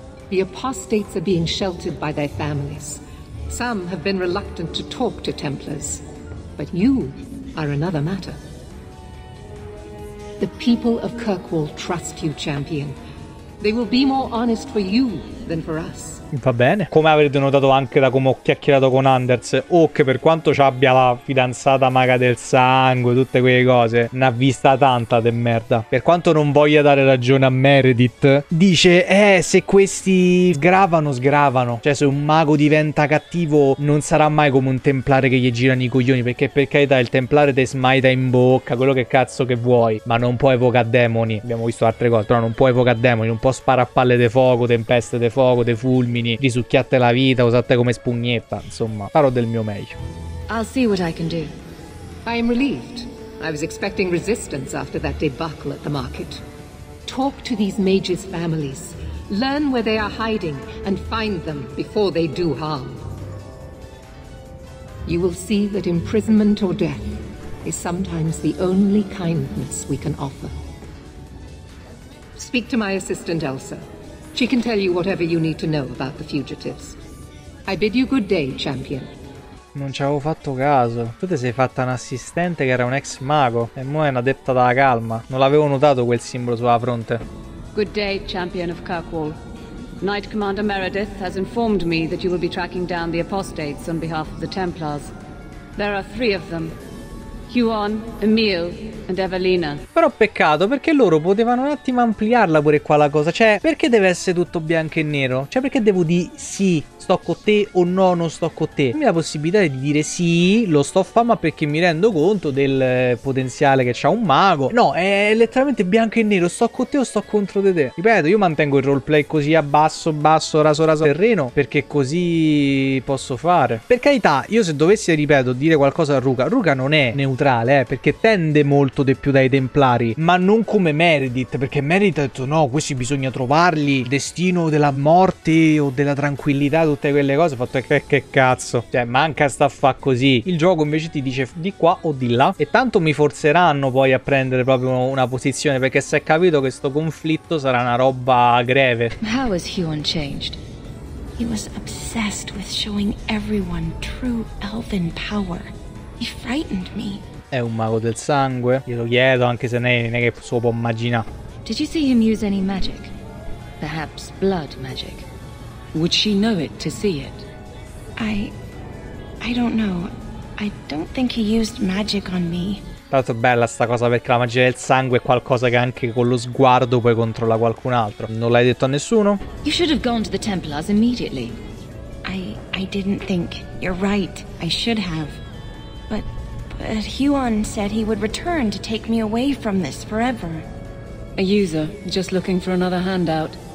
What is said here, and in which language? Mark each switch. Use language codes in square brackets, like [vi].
[en] The apostates are being sheltered by their families. Some have been reluctant to talk to templars. But you are another matter. The people of Kirkwall trust you, champion. They will be more honest for you than for us. [it] Va bene. Come avrete notato anche da come ho chiacchierato con Anders, che per quanto ci abbia la fidanzata maga del sangue, tutte quelle cose, n'ha vista tanta de merda. Per quanto non voglia dare ragione a Meredith, dice, se questi sgravano. Cioè, se un mago diventa cattivo, non sarà mai come un templare che gli girano i coglioni, perché per carità, il templare te smaita in bocca, quello che cazzo che vuoi, ma non può evocare demoni. Abbiamo visto altre cose, però non può evocare demoni, non può sparare a palle de fuoco, tempeste de fuoco, de fulmini. Risucchiate la vita, usate come spugnetta, insomma, farò del mio meglio. [en] I'll see what I can do. I am relieved. I was expecting resistance after that debacle at the market. Talk to these mages' families. Learn where they are hiding and find them before they do harm. You will see that imprisonment or death is sometimes the only kindness we can offer. Speak to my assistant Elsa. She can tell you whatever you need to know about the fugitives. I bid you good day, champion. [it] Non ci avevo fatto caso. Tu ti sei fatta un assistente che era un ex mago. E mo è un'adepta della calma. Non l'avevo notato quel simbolo sulla fronte. [en] Good day, champion of Kirkwall. Knight Commander Meredith has informed me that you will be tracking down the apostates on behalf of the Templars. There are three of them. Huon, Emil and Evelina. [it] Però peccato, perché loro potevano un attimo ampliarla pure qua la cosa. Cioè, perché deve essere tutto bianco e nero? Cioè, perché devo dire sì, sto con te, o no, non sto con te? Dammi la possibilità di dire sì, lo sto a fare, ma perché mi rendo conto del potenziale che c'ha un mago. No, è letteralmente bianco e nero, sto con te o sto contro di te. Ripeto, io mantengo il roleplay così a basso, basso, raso, terreno, perché così posso fare. Per carità, io se dovessi, ripeto, dire qualcosa a Ruka, Ruka non è neutrale, perché tende molto di più dai templari, ma non come Meredith, perché Meredith ha detto no, questi bisogna trovarli, il destino della morte o della tranquillità, tutte quelle cose, fatto che cazzo, cioè manca sta fa così. Il gioco invece ti dice di qua o di là, e tanto mi forzeranno poi a prendere proprio una posizione, perché si è capito che sto conflitto sarà una roba greve. [en] How has Huon changed? He was obsessed with showing everyone true elven power. He frightened me. [it] È un mago del sangue? Glielo chiedo, anche se non è che se lo può immaginare. [en] Did you see him use any magic? Perhaps blood magic? Would she know it to see it? I don't know. I don't think he used magic on me. [it] Tanto bella sta cosa, perché la magia del sangue è qualcosa che anche con lo sguardo puoi controllare qualcun altro. Non l'hai detto a nessuno? [en] You should have gone to the Templars immediately. I didn't think. You're right. I should have. But Huon said he would return to take me away from this forever. A user, just looking for another handout.